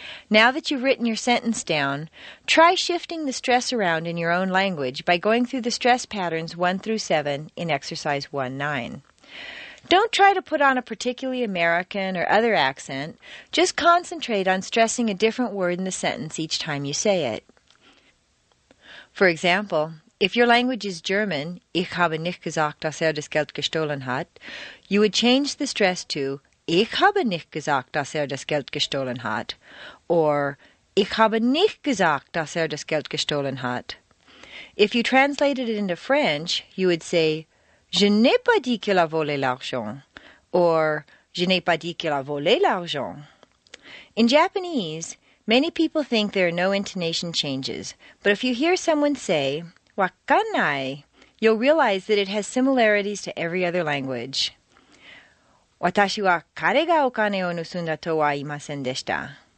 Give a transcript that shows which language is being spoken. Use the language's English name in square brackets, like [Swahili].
[English] Now that you've written your sentence down, try shifting the stress around in your own language by going through the stress patterns 1 through 7 in Exercise 1-9. Don't try to put on a particularly American or other accent. Just concentrate on stressing a different word in the sentence each time you say it. For example, if your language is German, [German] Ich habe nicht gesagt, dass das Geld gestohlen hat, [English] you would change the stress to [German] Ich habe nicht gesagt, dass das Geld gestohlen hat, [English] or [German] Ich habe nicht gesagt, dass das Geld gestohlen hat. [English] If you translated it into French, you would say [French] Je n'ai pas dit qu'il a volé l'argent, [English] or [French] Je n'ai pas dit qu'il a volé l'argent. [English] In Japanese, many people think there are no intonation changes, but if you hear someone say Wakkanai, you'll realize that it has similarities to every other language. [Japanese] Watashi wa kare ga okane o nusunda to wa imasen deshita.